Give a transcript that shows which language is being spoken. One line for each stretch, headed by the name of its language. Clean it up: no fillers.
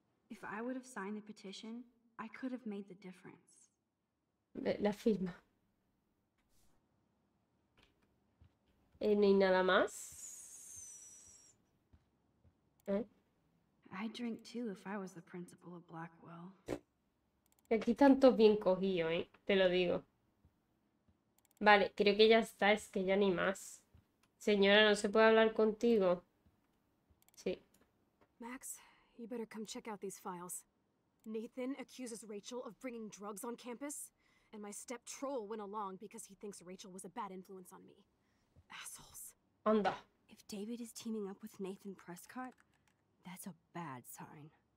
English: If I would have signed the petition, I could have made the difference.
Spanish: La firma. No hay nada más. ¿Eh?
English: I'd drink too if I was the principal of Blackwell.
Spanish: Aquí están todos bien cogidos, ¿eh? Te lo digo. Vale, creo que ya está. Es que ya ni más. Señora, ¿no se puede hablar contigo? Sí.
English: Max, you better come check out these files. Nathan accuses Rachel of bringing drugs on campus, and my step troll went along because he thinks Rachel was a bad influence on me. Assholes.
Spanish: Anda.
English: If David is teaming up with Nathan Prescott, that's a bad sign.